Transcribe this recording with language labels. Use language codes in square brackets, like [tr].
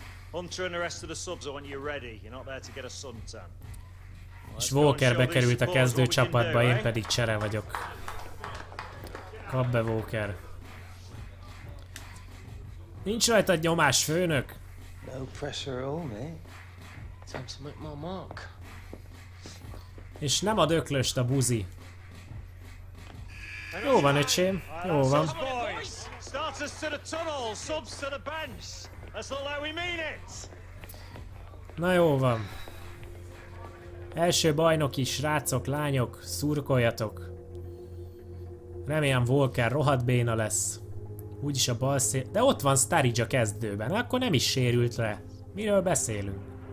[en] Hunter and the rest of the subs, I want you ready. You're not there to get a suntan. [hu] És Walker bekerült a kezdő csapatba, én pedig csere vagyok. Kap be, Walker. Nincs rajtad nyomás, főnök? [en] No pressure at all, mate. Time to make my mark. [hu] És nem ad öklöst a buzi. Jó van, öcsém. Jó van. [en] Starters to the tunnel, subs to the bench. That's not how we mean it. [hu] Na jó van. Első bajnoki srácok, lányok, szurkoljatok. Remélem Walker rohadt béna lesz. Úgyis a bal szél... De ott van Sturridge a kezdőben, akkor nem is sérült le. Miről beszélünk?